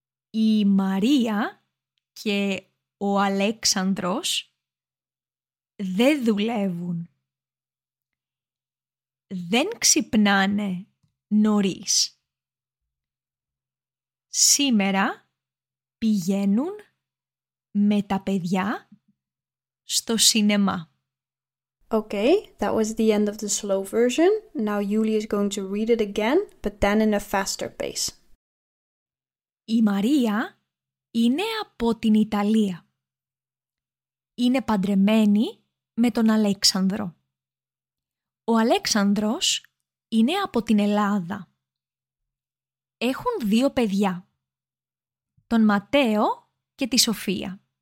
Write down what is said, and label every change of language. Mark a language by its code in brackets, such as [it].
[el] Η Μαρία και ο Αλέξανδρος δεν δουλεύουν. Δεν ξυπνάνε νωρίς. Σήμερα πηγαίνουν με τα παιδιά στο σινεμά. [en] Okay, that was the end of the slow version. Now Yulia is going to read it again, but then in a faster pace. [el] Η Μαρία είναι από την Ιταλία. Είναι παντρεμένη με τον Αλέξανδρο. Ο Αλέξανδρος είναι από την Ελλάδα. Έχουν δύο παιδιά. Τον Ματέο και τη Σοφία.